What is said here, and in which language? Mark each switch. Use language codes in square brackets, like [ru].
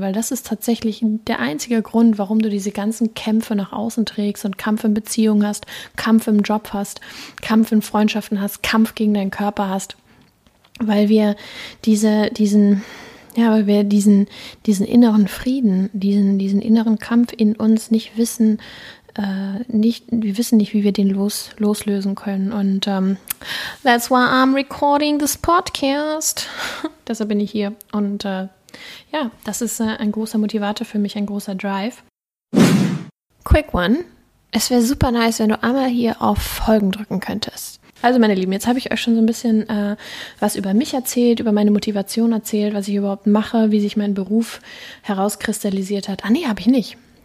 [de] Weil das ist tatsächlich der einzige Grund, warum du diese ganzen Kämpfe nach außen trägst und Kampf in Beziehungen hast, Kampf im Job hast, Kampf in Freundschaften hast, Kampf gegen deinen Körper hast. Weil wir diesen inneren Frieden, diesen inneren Kampf in uns nicht wissen, wir wissen nicht, wie wir den loslösen können. [en] Und that's why I'm recording this podcast. [de] Deshalb bin ich hier. Und ja, das ist ein großer Motivator für mich, ein großer Drive. [en] Quick one. [de] Es wäre super nice, wenn du einmal hier auf Folgen drücken könntest. Also meine Lieben, jetzt habe ich euch schon so ein bisschen was über mich erzählt, über meine Motivation erzählt, was ich überhaupt mache, wie sich mein Beruf herauskristallisiert hat. Ah nee, habe ich nicht.